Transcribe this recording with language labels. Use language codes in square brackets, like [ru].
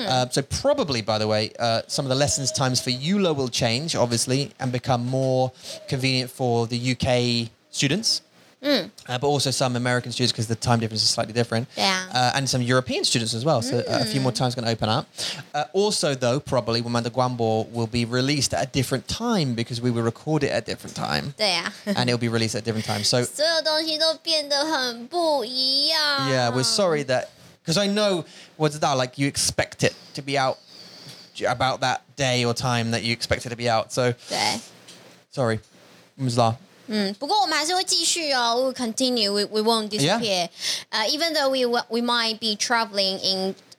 [en] So probably, by the way, some of the lessons times for EULA will change, obviously, and become more convenient for the UK students. But also some American students because the time difference is slightly different. Yeah. And some European students as well. So a few more times going to open up. Also, though, probably Womanda Guambo will be released at a different time because we will record it at a different time. And it will be released at a different time. So [zh] 所有东西都变得很不一样. [en] Yeah, we're sorry that... Because I know, what's that? Like, you expect it to be out about that day or time that you expect it to be out. So, sorry. Mzla. [zh] 不过我们还是会继续哦, [en] we'll continue, we won't disappear. Even though we might be traveling in